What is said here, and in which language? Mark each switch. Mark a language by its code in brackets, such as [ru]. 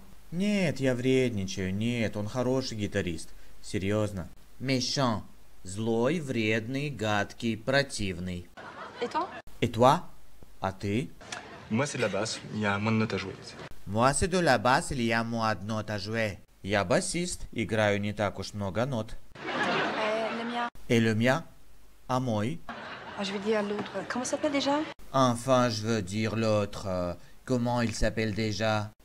[ru] Нет, я вредничаю. Нет, он хороший гитарист. Серьезно. Méchant. Злой, вредный, гадкий, противный. [fr] Et toi? Et toi? [ru] А ты? [fr] Moi c'est de la basse. Il y a moins de notes à jouer. Moi c'est de la basse, il y a moins de notes à jouer. [ru] Я басист, играю не так уж много нот. [fr] Et le mien? [ru] А мой? [fr] Je vais dire l'autre. Comment s'appelle déjà? Enfin, je veux dire l'autre. Comment il s'appelle déjà?